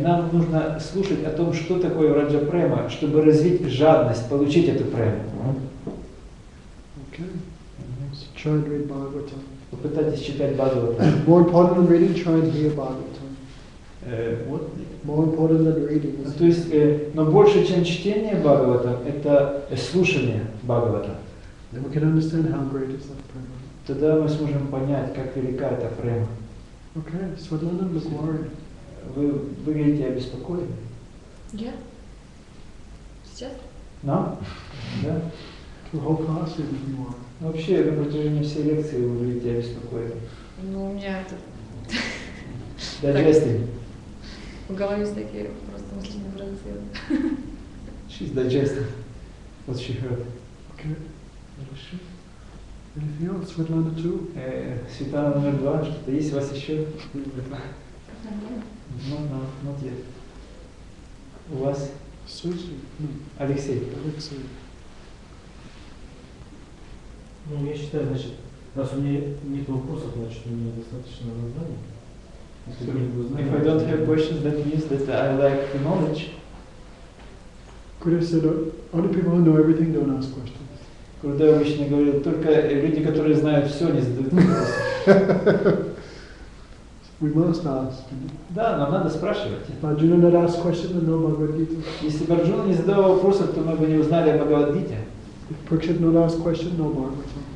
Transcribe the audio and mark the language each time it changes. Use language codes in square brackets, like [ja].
[ru] Нам нужно слушать о том, что такое Vraja Prema, чтобы развить жадность, получить эту прему. [en] Okay. So try and read Bhagavatam. [ru] Попытайтесь читать Бхагаватам. [en] More important than reading, try and hear Bhagavatam. What? More important than reading. [ru] То есть, но больше, чем чтение Бхагавата, это слушание Бхагавата. [en] Then we can understand how great is that prema. [ru] Тогда мы сможем понять, как велика эта према. [en] Okay, Svetlana, look worried. [ru] Вы выглядите обеспокоенной. Я? Сейчас? Да? Да. [en] The whole class is looking worried. [ru] Вообще, на протяжении всей лекции вы выглядите обеспокоенной. Ну, у меня это... [en] Digesting. [ru] В голове есть такие просто мысли не бронзилы. [en] She's digested. What she heard. Okay. [ru] Хорошо. [en] Anything else, Svetlana 2? [ru] Svetlana номер 2, что-то есть у вас еще? [en] No, no, not yet. [ru] У вас? Свети? Алексей. Алексей. Ну, я считаю, значит, раз у меня нет вопросов, значит, у меня достаточно знаний. [en] So, if I don't have questions, that means that I lack the knowledge. Could I say that only people who know everything don't ask questions? [ru] Когда обычно говорят, только люди, которые знают все, не задают вопросы. [en] We must ask. [ru] Да, нам надо спрашивать. [en] If Arjuna not ask questions, then no Bhagavad Gita. [ru] Если бы Арджуна не задавал вопросов, то мы бы не узнали о Бхагавад Гите. [en] If Parikshit not ask questions, no Bhagavad Gita.